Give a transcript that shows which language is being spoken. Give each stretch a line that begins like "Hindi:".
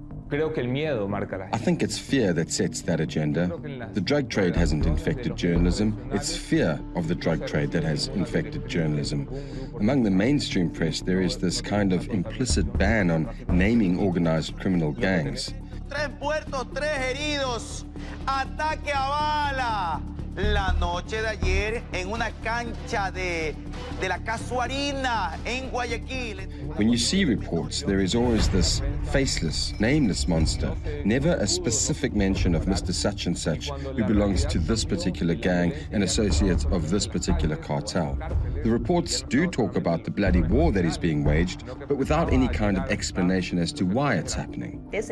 English: I think it's fear that sets that agenda. The drug trade hasn't infected journalism. It's fear of the drug trade that has infected journalism. Among the mainstream press, there is this kind of implicit ban on naming organized criminal gangs.
Spanish: Tres muertos, tres heridos. Ataque a bala. La noche de ayer en una cancha de la Casuarina en Guayaquil.
English: When you see reports, there is always this faceless, nameless monster. Never a specific mention of Mr. Such and Such, who belongs to this particular gang and associates of this particular cartel. The reports do talk about the bloody war that is being waged, but without any kind of explanation as to why it's happening.